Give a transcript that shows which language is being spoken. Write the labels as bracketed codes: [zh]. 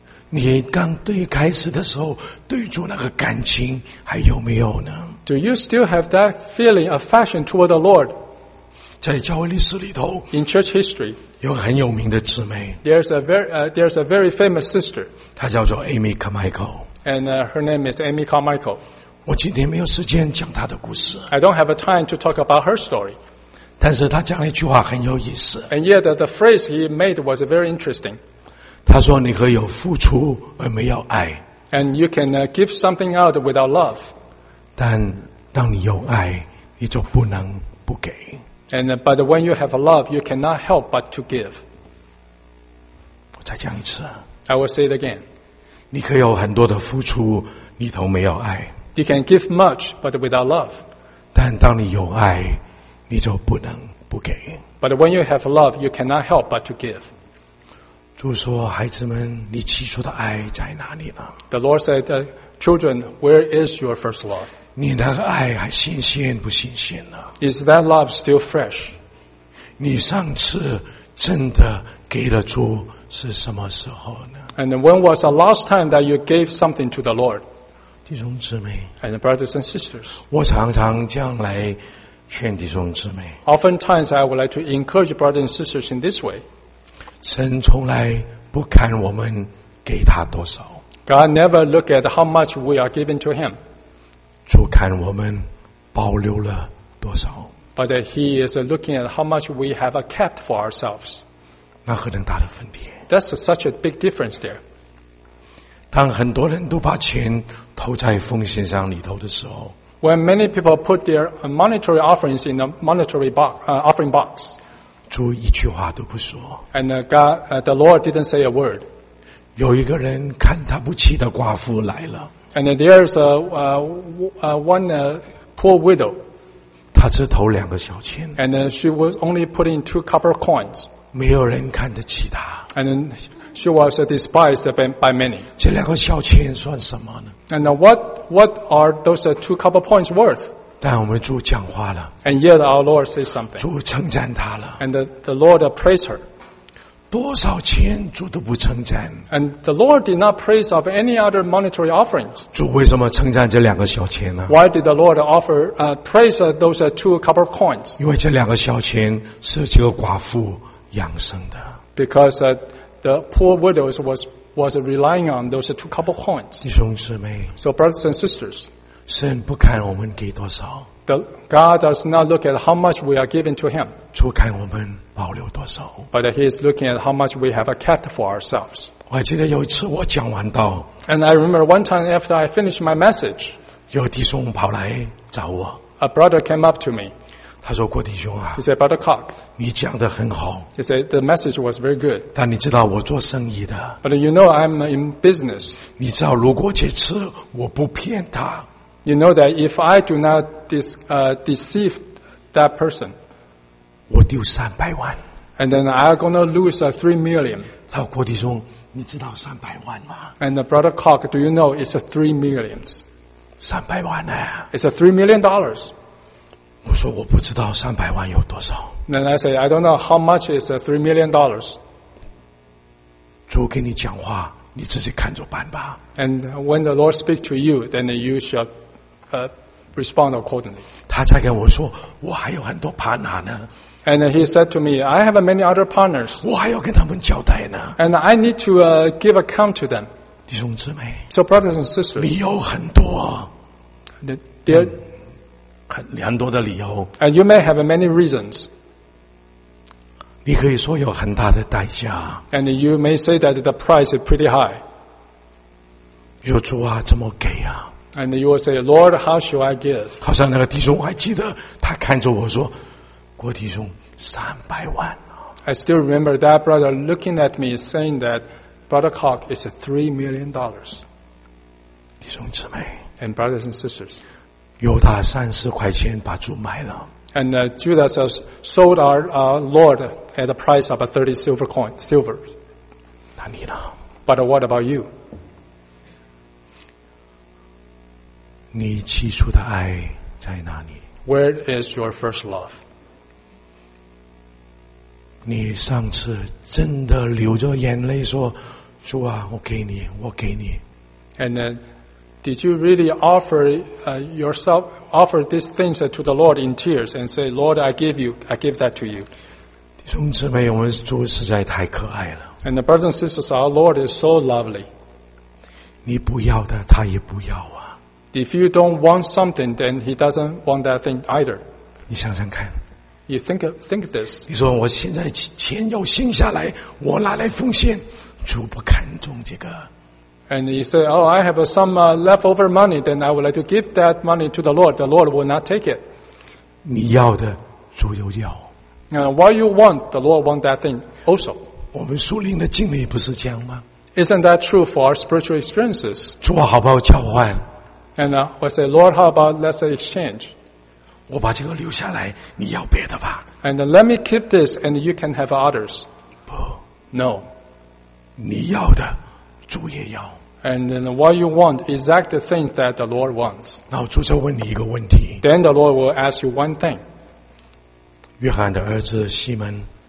[zh] 你刚最开始的时候，对主那个感情还有没有呢？ [en] Do you still have that feeling, affection toward the Lord? [zh] 在教会历史里头。 [en] In church history. [zh] 有很有名的姊妹。 [en] There's a very famous sister. [zh] 她叫做 Amy Carmichael. [en] And her name is Amy Carmichael. [zh] 我今天没有时间讲她的故事。 [en] I don't have a time to talk about her story. [zh] 但是她讲了一句话很有意思。 [en] And yet the phrase he made was very interesting. [zh] 她说你可以有付出而没有爱。 [en] And you can give something out without love. [zh] 但当你有爱，你就不能不给。 [en] And but when you have a love, you cannot help but to give. [zh] 我再讲一次。 [en] I will say it again. [zh] 你可以有很多的付出，里头没有爱。 [en] You can give much, but without love. [zh] 但当你有爱，你就不能不给。 [en] But when you have love, you cannot help but to give. [zh] 主说：“孩子们，你起初的爱在哪里呢？” [en] The Lord said, "Children, where is your first love?" [zh] 你那个爱还新鲜不新鲜呢？ [en] Is that love still fresh? [zh] 你上次真的给了主是什么时候呢？ [en] And when was the last time that you gave something to the Lord? [zh] 弟兄姊妹， [en] And brothers and sisters, [zh] 我常常这样来劝弟兄姊妹。 [en] Oftentimes I would like to encourage brothers and sisters in this way. [zh] 神从来不看我们给他多少。 [en] God never look at how much we are giving to him. [zh] 主看我们保留了多少。 [en] But he is looking at how much we have kept for ourselves. [zh] 那何等大的分别。 [en] That's such a big difference there. [zh] 当很多人都把钱投在奉献箱里头的时候。 [en] When many people put their monetary offerings in the monetary box, offering box. [zh] 主一句话都不说。 [en] And the Lord didn't say a word. [zh] 有一个人看他不起的寡妇来了。 [en] And there is one poor widow. [zh] 她只投两个小钱。 [en] And she was only putting two copper coins. [zh] 没有人看得起她。 [en] And she was despised by many. [zh] 这两个小钱算什么呢？ [en] And what are those two copper coins worth? [zh] 但我们主讲话了。 [en] And yet our Lord says something. [zh] 主称赞她了。 [en] And the Lord praised her. [zh] 多少钱主都不称赞。 [en] And the Lord did not praise of any other monetary offerings. [zh] 主为什么称赞这两个小钱呢？ [en] Why did the Lord offer, praise those two copper coins? [zh] 因为这两个小钱是这个寡妇养生的。 [en] Because the poor widows was relying on those two copper coins. [zh] 弟兄姊妹。 [en] So brothers and sisters. [zh] 神不看我们给多少。 [en] God does not look at how much we are giving to him. [zh] 主看我们保留多少。 [en] But he is looking at how much we have kept for ourselves. [zh] 我记得有一次我讲完道。 [en] And I remember one time after I finished my message. [zh] 有弟兄跑来找我。 [en] A brother came up to me. [zh] 他说郭弟兄啊。 [en] He said, Brother Cock. [zh] 你讲得很好。 [en] He said, the message was very good. [zh] 但你知道我做生意的。 [en] But you know I'm in business. [zh] 你知道如果这次我不骗他。 [en] You know that if I do not deceive that person, [zh] 我丢300万 [en] and then I'm going to lose 3 million. [zh] 他说郭弟兄，你知道三百万吗？ [en] And Brother Cock, do you know it's 3 million? [zh] 三百万呢？ [en] It's $3 million. [zh] 我说我不知道三百万有多少。 [en] Then I say I don't know how much is $3 million. [zh] 主跟你讲话，你自己看着办吧。 [en] And when the Lord speaks to you, then you shall respond accordingly. [zh] 他才跟我说，我还有很多 partner 呢。 [en] And he said to me, I have many other partners. [zh] 我还要跟他们交代呢。 [en] And I need to give account to them. [zh] 弟兄姊妹。 [en] So brothers and sisters. [zh] 理由很多。很多的理由。 [en] And you may have many reasons. [zh] 你可以说有很大的代价。 [en] And you may say that the price is pretty high. [zh] 说主啊怎么给啊。 [en] And you will say, Lord, how should I give? [zh] 好像那个弟兄我还记得他看着我说郭弟兄300万。 [en] I still remember that brother looking at me saying that Brother Cock is $3 million. [zh] 弟兄姊妹 [en] And brothers and sisters. [zh] 犹大30块钱把主卖了。 [en] And Judas sold our Lord at the price of 30 silver coins, silver. [zh] 那你呢? [en] But what about you? [zh] 你起初的爱在哪里? [en] Where is your first love? [zh] 你上次真的流着眼泪说主啊我给你我给你。 [en] And then, did you really offer yourself, offer these things to the Lord in tears and say, Lord, I give you, I give that to you? [zh] 弟兄姊妹我们主实在太可爱了。 [en] And the brothers and sisters, our Lord is so lovely. [zh] 你不要的他也不要啊。 [en] If you don't want something, then he doesn't want that thing either. [zh] 你想想看。 [en] You think of this. [zh] 你说我现在钱要信下来我拿来奉献。主不看重这个。 [en] And he said, oh, I have some leftover money, then I would like to give that money to the Lord. The Lord will not take it. [zh] 你要的主又要。 [en] What you want, the Lord want that thing also. [zh] 我们属灵的经历不是这样吗? [en] Isn't that true for our spiritual experiences? [zh] 主好不好交换? [en] And we say, Lord, how about let's exchange? [zh] 我把这个留下来,你要别的吧。 [en] And let me keep this and you can have others. [zh] 不。 [en] No. [zh] 你要的主也要。 [en] And then what you want, exact the things that the Lord wants. [zh] 那主就问你一个问题。 [en] Then the Lord will ask you one thing. [zh] 约翰的儿子西门。